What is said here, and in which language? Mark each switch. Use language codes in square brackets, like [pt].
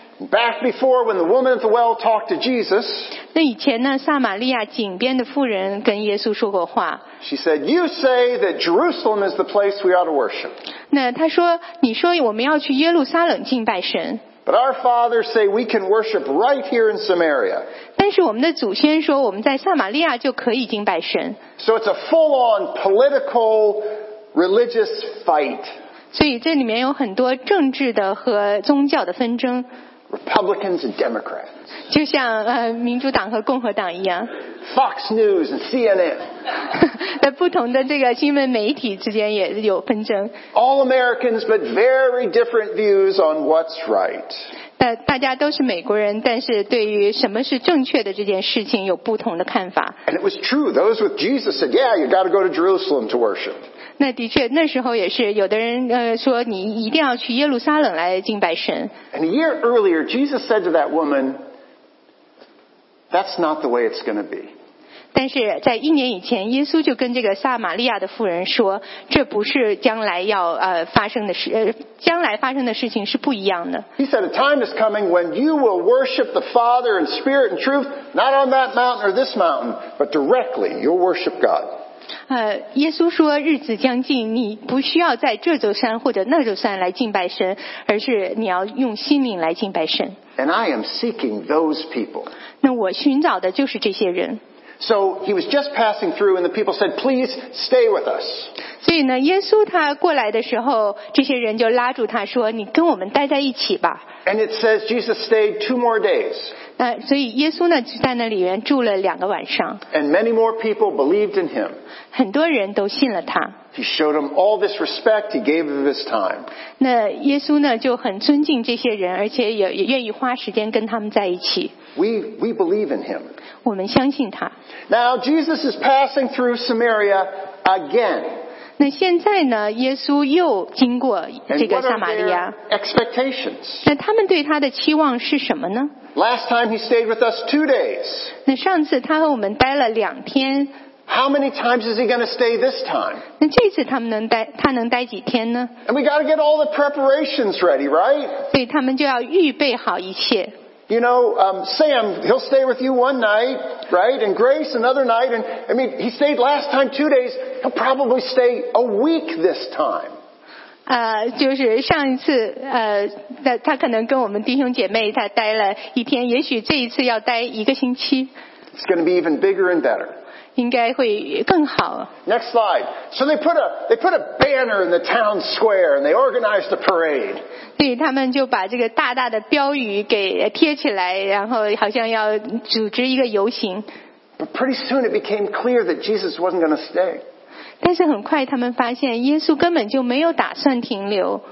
[en] Back before when the woman at the well talked to Jesus. [zh] 那以前呢，撒玛利亚井边的妇人跟耶稣说过话。 [en] She said, "You say that Jerusalem is the place we ought to worship." [zh] 那她说，你说我们要去耶路撒冷敬拜神。 [en] But our fathers say we can worship right here in Samaria. [zh] 但是我们的祖先说我们在撒玛利亚就可以敬拜神。 [en] So it's a full-on political religious fight. [zh] 所以这里面有很多政治的和宗教的纷争。 [en] Republicans and Democrats. [zh] 就像民主党和共和党一样。 [en] Fox News and CNN. [zh] 在不同的这个新闻媒体之间也有纷争。 [en] All Americans, but very different views on what's right. [zh] 大家都是美国人，但是对于什么是正确的这件事情有不同的看法。 [en] And it was true. Those with Jesus said, "Yeah, you got to go to Jerusalem to worship." [zh] 那的确，那时候也是有的人说你一定要去耶路撒冷来敬拜神。 [en] And a year earlier, Jesus said to that woman. That's not the way it's going to be. [zh] 但是在一年以前，耶稣就跟这个撒玛利亚的妇人说，这不是将来要发生的事，将来发生的事情是不一样的。 [en] He said, "A time is coming when you will worship the Father in spirit and truth, not on that mountain or this mountain, but directly you'll worship God." [zh] 耶稣说，日子将近，你不需要在这座山或者那座山来敬拜神，而是你要用心灵来敬拜神。 [en] And I am seeking those people. [zh] 那我寻找的就是这些人。 [en] So he was just passing through, and the people said, "Please stay with us." [zh] 所以呢，耶稣他过来的时候，这些人就拉住他说，你跟我们待在一起吧。 [en] And it says Jesus stayed two more days. [zh] 所以耶稣呢就在那里面住了两个晚上。 [en] And many more people believed in him. [zh] 很多人都信了他。 [en] He showed them all this respect. He gave them his time. [zh] 那耶稣呢就很尊敬这些人，而且也愿意花时间跟他们在一起。 [en] We believe in him. [zh] 我们相信他。 [en] Now Jesus is passing through Samaria again. [zh] 那现在呢，耶稣又经过这个撒玛利亚。 [en] And what are their expectations? [zh] 那他们对他的期望是什么呢？ [en] Last time he stayed with us 2 days. [zh] 那上次他和我们待了两天。 [en] How many times is he going to stay this time? [zh] 那这次他能待几天呢？ [en] And we got to get all the preparations ready, right? [zh] 所以他们就要预备好一切。 [en] You know, Sam, he'll stay with you one night, right? And Grace, another night. And I mean, he stayed last time 2 days. He'll probably stay a week this time. [zh] 就是上一次，他可能跟我们弟兄姐妹他待了一天，也许这一次要待一个星期。 [en] It's going to be even bigger and better. [zh] 应该会更好。 [en] Next slide. So they put a banner in the town square and they organized a parade. [zh] 对，他们就把这个大大的标语给贴起来，然后好像要组织一个游行。 [en] But pretty soon it became clear that Jesus wasn't going to stay. [zh] 但是很快他们发现耶稣根本就没有打算停留。